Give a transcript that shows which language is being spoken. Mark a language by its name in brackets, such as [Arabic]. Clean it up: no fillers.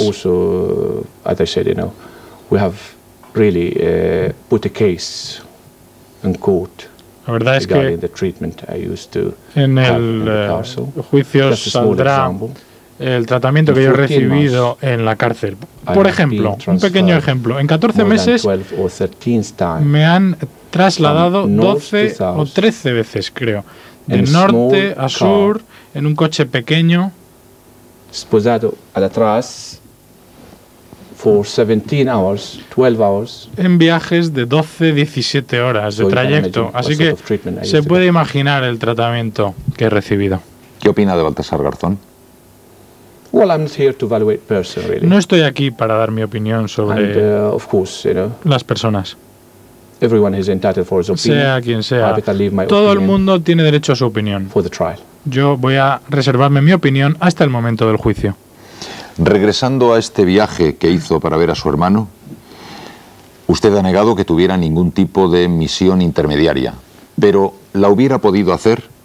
[English] Also, as I said, you know, we have really put a case in court. [Spanish] La verdad es que [English] the treatment I used to [Spanish] en el juicio saldrá el tratamiento que yo he recibido en la cárcel. Por ejemplo, un pequeño ejemplo. En 14 meses me han trasladado 12 o 13 veces, creo. De norte a sur, en un coche pequeño. Esposado al atrás, por 17 horas, 12 horas. En viajes de 12, 17 horas de trayecto. Así que se puede imaginar el tratamiento que he recibido. ¿Qué opina de Baltasar Garzón? [English] Well, I'm not here to evaluate person, really. [Spanish] No estoy aquí para dar mi opinión sobre [English] Of course, you know, [Spanish] las personas. [English] Everyone is entitled for his opinion. [Spanish] Sea quien sea, todo el mundo tiene derecho a su opinión. [English] For the trial. [Spanish] Yo voy a reservarme mi opinión hasta el momento del juicio. Regresando a este viaje que hizo para ver a su hermano, usted ha negado que tuviera ningún tipo de misión intermediaria, pero la hubiera podido hacer.